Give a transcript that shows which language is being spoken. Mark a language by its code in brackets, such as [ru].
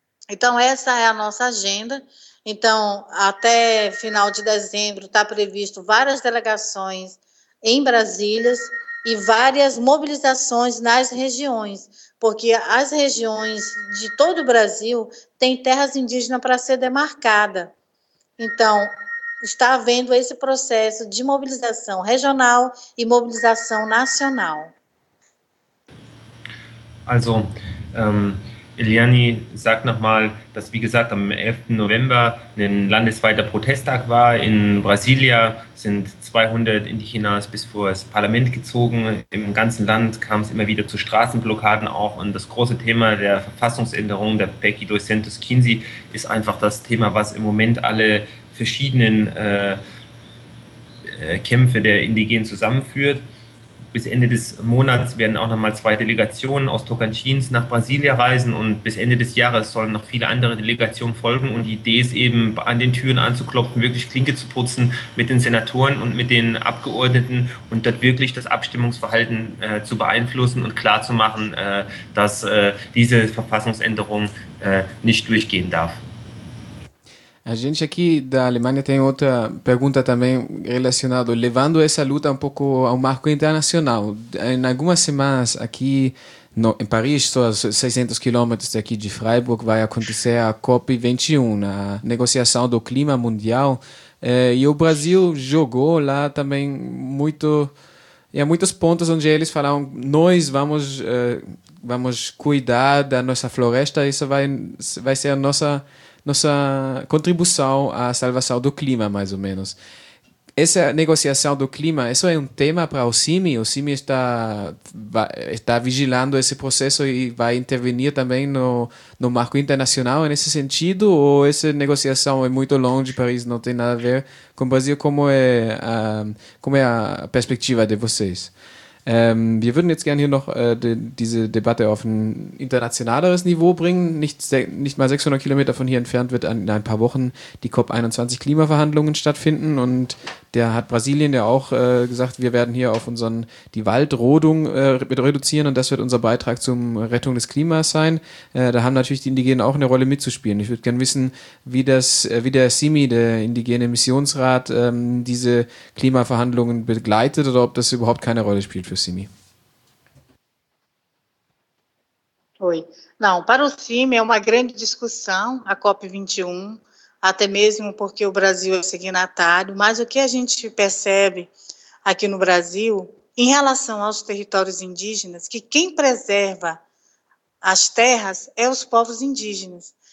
[pt] Então, essa é a nossa agenda. Então, até final de dezembro, está previsto várias delegações em Brasília e várias mobilizações nas regiões, porque as regiões de todo o Brasil têm terras indígenas para ser demarcada. Então, está havendo esse processo de mobilização regional e mobilização nacional. [de] Also, Eliane sagt nochmal, dass, wie gesagt, am 11. November ein landesweiter Protesttag war. In Brasilia sind 200 Indigenas bis vor das Parlament gezogen. Im ganzen Land kam es immer wieder zu Straßenblockaden auch. Und das große Thema der Verfassungsänderung der PEC 215 ist einfach das Thema, was im Moment alle verschiedenen Kämpfe der Indigenen zusammenführt. Bis Ende des Monats werden auch nochmal zwei Delegationen aus Tocantins nach Brasilien reisen und bis Ende des Jahres sollen noch viele andere Delegationen folgen und die Idee ist eben, an den Türen anzuklopfen, wirklich Klinke zu putzen mit den Senatoren und mit den Abgeordneten und dort wirklich das Abstimmungsverhalten zu beeinflussen und klarzumachen, dass diese Verfassungsänderung nicht durchgehen darf. [pt] A gente aqui da Alemanha tem outra pergunta também relacionada, levando essa luta um pouco ao marco internacional. Em algumas semanas aqui no, em Paris, só 600 quilômetros daqui de Freiburg, vai acontecer a COP21, a negociação do clima mundial. E o Brasil jogou lá também muito... E há muitos pontos onde eles falaram, nós vamos, vamos cuidar da nossa floresta, isso vai ser a nossa contribuição à salvação do clima, mais ou menos. Essa negociação do clima, isso é um tema para o CIMI? O CIMI está vigilando esse processo e vai intervenir também no marco internacional nesse sentido? Ou essa negociação é muito longe, Paris não tem nada a ver com o Brasil? Como é a perspectiva de vocês? [de] Wir würden jetzt gerne hier noch diese Debatte auf ein internationaleres Niveau bringen. Nicht mal 600 Kilometer von hier entfernt wird in ein paar Wochen die COP21 Klimaverhandlungen stattfinden. Und da hat Brasilien ja auch gesagt, wir werden hier auf unseren die Waldrodung mit reduzieren und das wird unser Beitrag zur Rettung des Klimas sein. Da haben natürlich die Indigenen auch eine Rolle mitzuspielen. Ich würde gerne wissen, wie der CIMI, der Indigene Missionsrat, diese Klimaverhandlungen begleitet oder ob das überhaupt keine Rolle spielt. Für CIMI. [pt] Oi. Não, para o CIMI é uma grande discussão a COP21, até mesmo porque o Brasil é signatário, mas o que a gente percebe aqui no Brasil, em relação aos territórios indígenas, que quem preserva as terras é os povos indígenas.